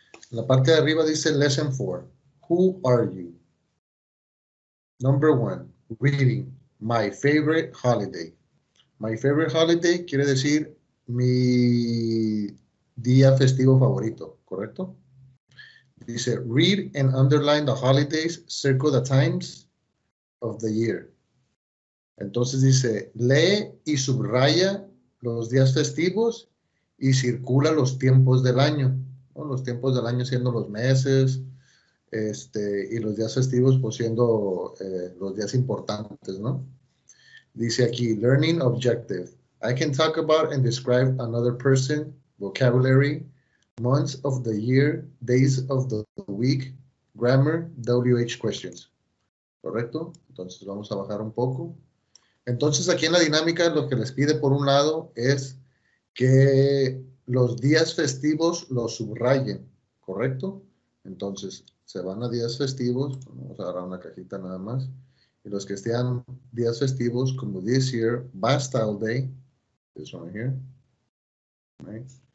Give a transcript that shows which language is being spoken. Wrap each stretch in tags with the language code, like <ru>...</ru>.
<es>En la parte de arriba dice</es> <en>Lesson 4. Who are you? Number 1. Reading. My favorite holiday. My favorite holiday</en> <es>quiere decir mi día festivo favorito, ¿correcto?</es> <en>Dice, read and underline the holidays, circle the times of the year.</en> <es>Entonces dice, lee y subraya los días festivos y circula los tiempos del año, ¿no? Los tiempos del año siendo los meses, y los días festivos pues siendo los días importantes, ¿no? Dice aquí,</es> <en>learning objective. I can talk about and describe another person, vocabulary, months of the year, days of the week, grammar, WH questions.</en> <es>¿Correcto? Entonces vamos a bajar un poco. Entonces aquí en la dinámica lo que les pide por un lado es que los días festivos los subrayen. ¿Correcto? Entonces se van a días festivos. Vamos a agarrar una cajita nada más. Y los que sean días festivos como</es> <en>this year, Bastille Day, this one here. Right.</en>